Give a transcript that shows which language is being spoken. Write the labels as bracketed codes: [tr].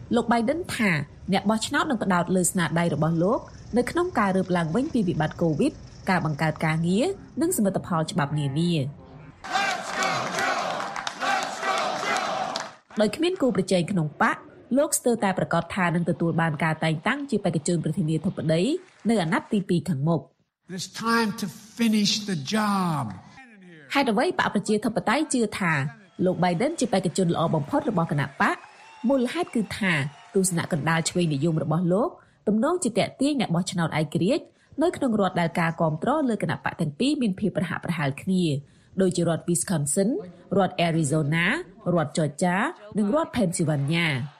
[km] លោក Biden ថាអ្នកបោះឆ្នោតនឹងផ្តោតលើស្នាដៃរបស់លោកនៅក្នុងការរៀបឡើងវិញពីវិបត្តិ COVID ការបង្កើតការងារនិងសមិទ្ធផលច្បាប់នានាដោយគ្មានគូប្រជែងក្នុងបកលោកស្ទើរតែប្រកាសថានឹងទទួលបានការតែងតាំងជាបេក្ខជនប្រធានាធិបតីនៅអាណត្តិទី2ខាងមុខ [en] This time to finish the job. [km] ហើយដើម្បីបកប្រជាធិបតីជឿថាលោក Biden ជាបេក្ខជនល្អបំផុតរបស់គណៈបកមូលហេតុគឺថាទស្សនៈកណ្ដាលឆ្វេងនិយមរបស់លោកទំនងជាតេទៀងអ្នកបោះឆ្នោតឯករាជ្យនៅក្នុងរដ្ឋដែលការគ្រប់គ្រងលើគណៈបកទាំងពីរមានភាពប្រហាក់ប្រហែលគ្នាដូចជារដ្ឋ Wisconsin រដ្ឋ Arizona រដ្ឋ Georgia និងរដ្ឋ Pennsylvania.